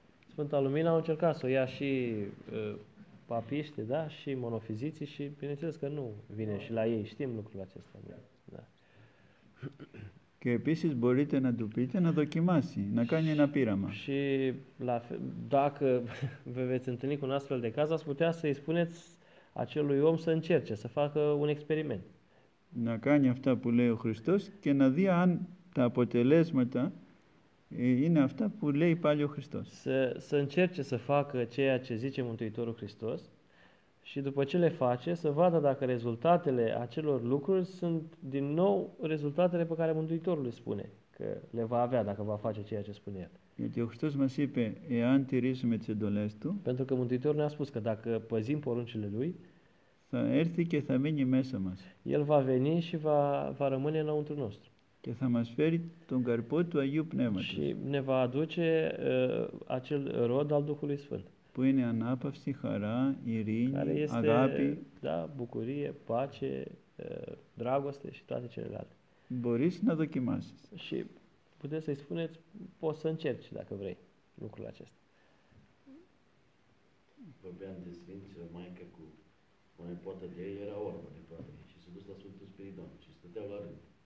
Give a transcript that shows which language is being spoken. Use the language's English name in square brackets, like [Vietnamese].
[Romanian] Sfânta Lumină au încercat să ia și papiști, da, și monofiziții și bineînțeles că nu vine și la ei. Știm lucrul acesta. Da. [Greek] Και επίσης μπορείτε να του πείτε να δοκιμάσει, να κάνει ένα πείραμα. [Romanian] Și dacă vă veți întâlni cu un astfel de caz, ați putea să-i spuneți acelui om să încerce, să facă un experiment. [Greek] Να κάνει αυτά που λέει ο Χριστός και να δει αν τα αποτελέσματα είναι αυτά που λέει πάλι ο Χριστός. [Romanian] Să încerce să facă ceea ce zice Mântuitorul Hristos și după ce le face, să vadă dacă rezultatele acelor lucruri sunt din nou rezultatele pe care Mântuitorul le spune că le va avea dacă va face ceea ce spune El. [Greek] Γιατί ο Χριστός μας είπε, εάν τηρήσουμε τις εντολές Του, [Romanian] pentru că Mântuitorul ne-a spus că dacă păzim poruncile Lui, [Greek] θα έρθει και θα μείνει μέσα μας. [Romanian] El va veni și va rămâne înăuntru nostru. [Greek] Και θα μας φέρει τον καρπό του Αγίου Πνεύματος. [Romanian] Și ne va aduce acel rod al Duhului Sfânt. [Greek] Που είναι ανάπαυση, χαρά, ειρήνη, [Romanian] care este, [Greek] αγάπη. [Romanian] Da, bucurie, pace, dragoste și toate celelalte. [Greek] Μπορείς να δοκιμάσεις. [Romanian] Și puteți să-i spuneți, poți să încerci dacă vrei lucrul acesta. Vorbeam de Sfință Maică cu o nepoată de ei, era orbă nepoată de ei și s-a dus la Sfântul Spiridon și stătea la rând.